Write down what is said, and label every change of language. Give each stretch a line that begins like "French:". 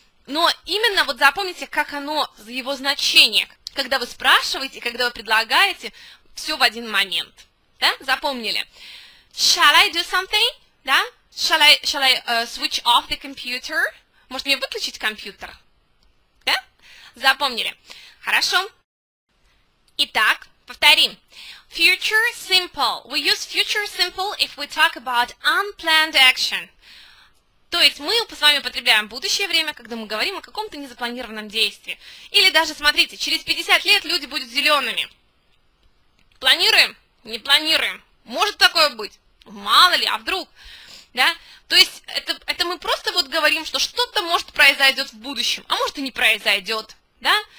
Russian: Но именно вот запомните, как оно, его значение – когда вы спрашиваете, когда вы предлагаете, все в один момент. Да? Запомнили.
English: Shall I do something?
Russian: Да?
English: Shall I switch off the computer?
Russian: Может, мне выключить компьютер? Да? Запомнили. Хорошо. Итак, повторим.
English: Future simple. We use future simple if we talk about unplanned action.
Russian: То есть мы с вами употребляем будущее время, когда мы говорим о каком-то незапланированном действии. Или даже, смотрите, через 50 лет люди будут зелеными. Планируем? Не планируем. Может такое быть? Мало ли, а вдруг? Да? То есть это мы просто вот говорим, что что-то может произойдет в будущем, а может и не произойдет. Да?